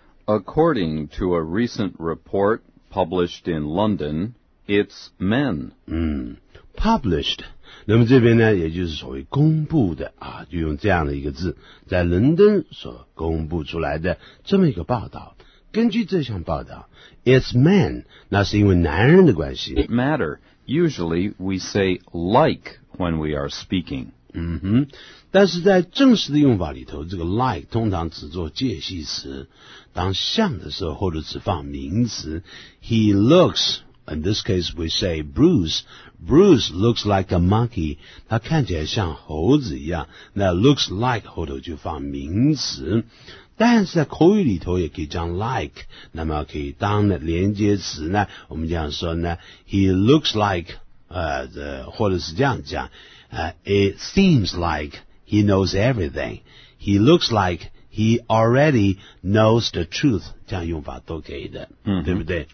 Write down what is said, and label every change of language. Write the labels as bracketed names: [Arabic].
[English] According to a recent report published in London, it's men. [Chinese] published, 那么这边呢也就是所谓公布的啊，就用这样的一个字，在伦敦所公布出来的这么一个报道。根据这项报道 [English] it's men, [Chinese] 那是因为男人的关系。 [English] It matter, usually we say like when we are speaking. [Chinese] 但是在正式的用法里头，这个 like 通常只做介系词，当像的时候或者只放名词。 [English] He looks, in this case we say Bruce, Bruce looks like a monkey, [Chinese] 他看起来像猴子一样， [English] 那 looks like [Chinese] 后头就放名词。但是在口语里头也可以将 like, 那么可以当的连接词呢，我们这样说呢， [English] He looks like, [Chinese] 或者是这样讲， [English] It seems like he knows everything. He looks like he already knows the truth. [Chinese] 这样用法都可以的、对不对